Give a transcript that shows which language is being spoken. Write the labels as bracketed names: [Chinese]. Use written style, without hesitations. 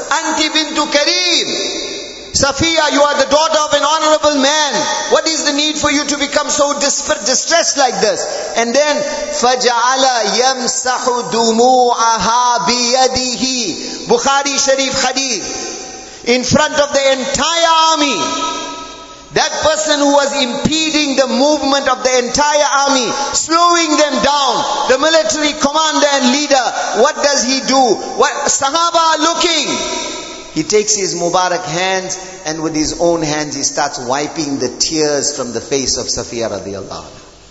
[Arabic] Anti bintu Kareem. [English] Safiya, you are the daughter of an honorable man. What is the need for you to become so distressed like this? And then, [Arabic] فَجَعَلَ يَمْسَحُ دُمُوعَهَا بِيَدِهِ. [English] Bukhari Sharif Hadith. In front of the entire army. That person who was impeding the movement of the entire army, slowing them down, the military commander and leader, what does he do? What sahaba are looking. He takes his Mubarak hands and with his own hands he starts wiping the tears from the face of Safiya radiallahu anha.